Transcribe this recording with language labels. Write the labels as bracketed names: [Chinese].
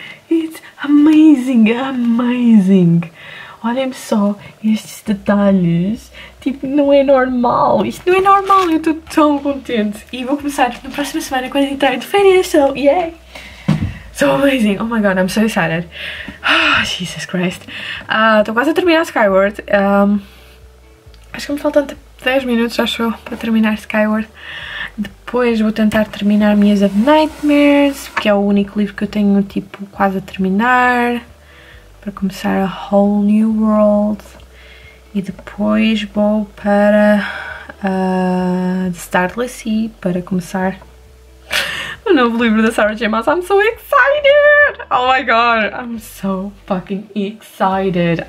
[Portuguese] It's amazing, it's amazing, olhem só estes detalhes, tipo, não é normal, isto não é normal, eu estou tão contente e vou começar na próxima semana quando entrar de férias, so yay! [English] So amazing, oh my god, I'm so excited. [Portuguese] Ah, oh, Jesus Christ. Estou quase a terminar Skyward. Acho que me faltam 10 minutos, acho eu, para terminar Skyward. Depois vou tentar terminar Mias of Nightmares, que é o único livro que eu tenho, tipo, quase a terminar. Para começar A Whole New World. E depois vou para The Starless Sea, para começar o novo livro da Sarah J. [English] Maas. I'm so excited! Oh my god, I'm so fucking excited.